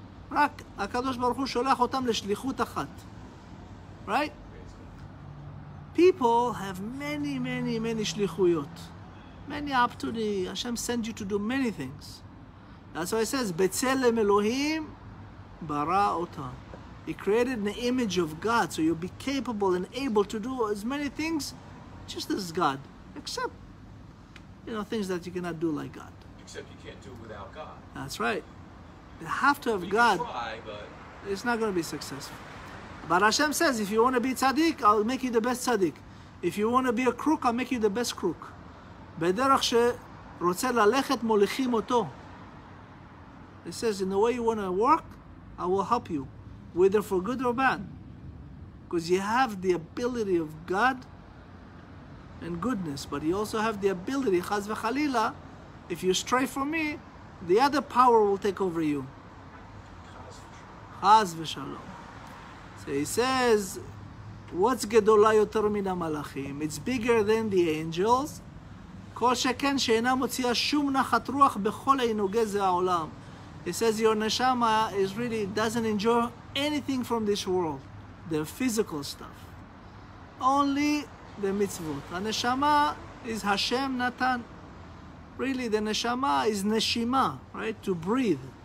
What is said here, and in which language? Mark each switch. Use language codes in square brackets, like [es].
[he] רק הקדוש ברוך הוא שולח אותם לשליחות אחת. [en] Right? People have many, many, many שליחויות. Many opportunities. Hashem sends you to do many things. That's why it says, [he] בצלם אלוהים ברא אותם. [en] He created the image of God, so you'll be capable and able to do as many things just as God. Except, you know, things that you cannot do like God. Except you can't do it without God. That's right. You have to have you God. Can try, but it's not going to be successful. But Hashem says, if you want to be tzaddik, I'll make you the best tzaddik. If you want to be a crook, I'll make you the best crook. [he] בדרך שרוצה ללכת מוליכים אותו. [en] It says, in the way you want to work, I will help you, whether for good or bad. Because you have the ability of God and goodness, but you also have the ability, chas v'chalila, if you stray from me, the other power will take over you. Chas v'shalom. So he says, what's gedola yoter min ha-malachim? It's bigger than the angels. [he] כל שכן שאינה מוציאה שום נחת רוח בכל עינוגי זה העולם. [en] He says, your neshama is really doesn't enjoy anything from this world. The physical stuff. Only the mitzvot. The neshama is Hashem Natan. Really, the neshama is neshima, right? To breathe.